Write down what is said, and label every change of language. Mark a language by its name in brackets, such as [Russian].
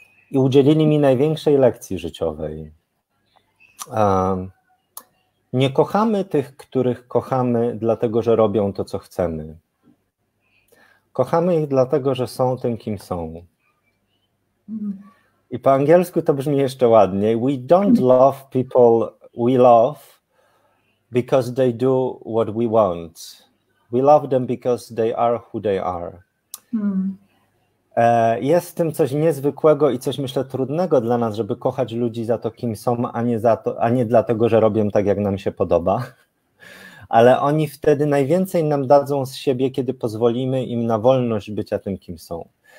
[Polish] I udzielili mi największej lekcji życiowej. Nie kochamy tych, których kochamy, dlatego że robią to, co chcemy. Kochamy ich dlatego, że są tym, kim są. I po angielsku to brzmi jeszcze ładniej. [English] We don't love people we love because they do what we want. We love them because they are who they are. [Polish] Jest w tym coś niezwykłego i coś, myślę, trudnego dla nas, żeby kochać ludzi za to, kim są, a nie dlatego, że robią tak, jak nam się podoba. Ale oni wtedy najwięcej nam dadzą z siebie, kiedy pozwolimy im na wolność bycia tym, kim są.